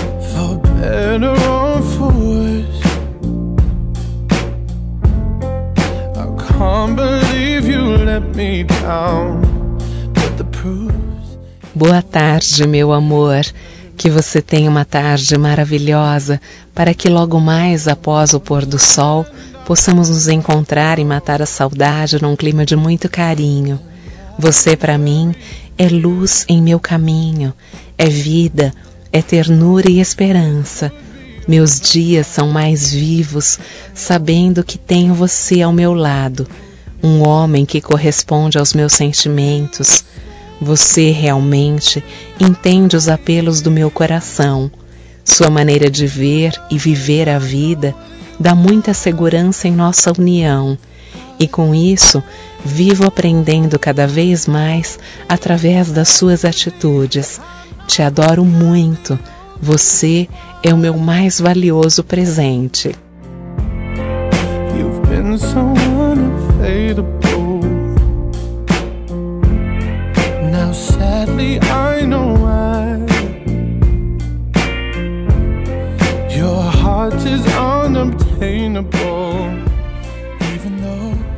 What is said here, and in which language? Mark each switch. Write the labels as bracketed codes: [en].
[en] For better or for worse, I can't believe you let me down. But the proof's... [pt] Boa tarde, meu amor. Que você tenha uma tarde maravilhosa, para que logo mais, após o pôr do sol, possamos nos encontrar e matar a saudade num clima de muito carinho. Você, para mim, é luz em meu caminho, é vida, é ternura e esperança. Meus dias são mais vivos, sabendo que tenho você ao meu lado, um homem que corresponde aos meus sentimentos. Você realmente entende os apelos do meu coração. Sua maneira de ver e viver a vida dá muita segurança em nossa união. E com isso, vivo aprendendo cada vez mais através das suas atitudes. Te adoro muito. Você é o meu mais valioso presente. [en] You've been so unfadable. Now sadly I know why. Your heart is unobtainable, even though